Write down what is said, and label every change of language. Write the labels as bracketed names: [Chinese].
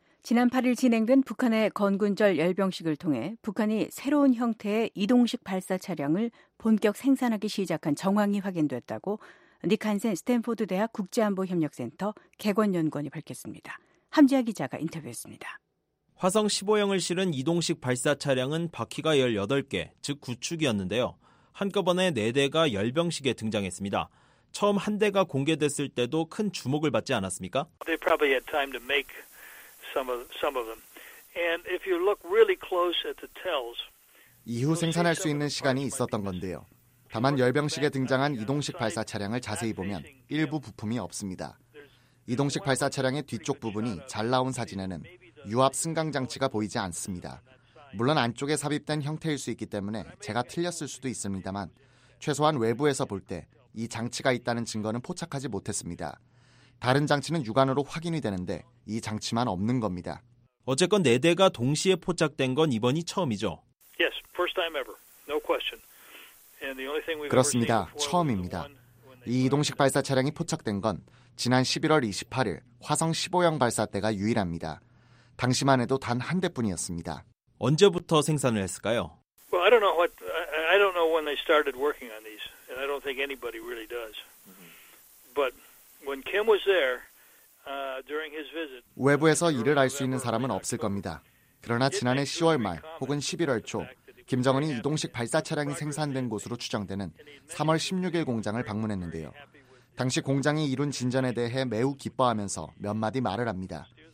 [Korean] 지난 8일 진행된 북한의 건군절 열병식을 통해 북한이 새로운 형태의 이동식 발사 차량을 본격 생산하기 시작한 정황이 확인됐다고 닉 한센 스탠포드 대학 국제안보협력센터 개관연구원이 밝혔습니다. 함지아 기자가 인터뷰했습니다. 화성 15형을 실은 이동식 발사 차량은 바퀴가 18개, 즉 9축이었는데요. 한꺼번에 4대가 열병식에 등장했습니다. 처음 한 대가 공개됐을 때도 큰 주목을 받지 않았습니까? [English] They probably had time to make some of them. And if you look really close at the tells, [Korean] 이후 생산할 수 있는 시간이 있었던 건데요. 다만 열병식에 등장한 이동식 발사 차량을 자세히 보면 일부 부품이 없습니다. 이동식 발사 차량의 뒤쪽 부분이 잘 나온 사진에는 유압 승강 장치가 보이지 않습니다. 물론 안쪽에 삽입된 형태일 수 있기 때문에 제가 틀렸을 수도 있습니다만 최소한 외부에서 볼 때 이 장치가 있다는 증거는 포착하지 못했습니다. 다른 장치는 육안으로 확인이 되는데 이 장치만 없는 겁니다. 어쨌건 네 대가 동시에 포착된 건 이번이 처음이죠. [English] Yes, first time ever. No question. [Korean] 그렇습니다. 처음입니다. 이 이동식 발사 차량이 포착된 건 지난 11월 28일 화성 15형 발사 때가 유일합니다. 당시만 해도 단 한 대뿐이었습니다. 언제부터 생산을 했을까요? [English] Well, I don't know what I don't know when they started working on these, and I don't think anybody really does. But when Kim was there during his visit, [Korean] 외부에서 이를 알 수 있는 사람은 없을 겁니다. 그러나 지난해 10월 말 혹은 11월 초 김정은이 이동식 발사 차량이 생산된 곳으로 추정되는 3월 16일 공장을 방문했는데요. 당시 공장이 이룬 진전에 대해 매우 기뻐하면서 몇 마디 말을 합니다.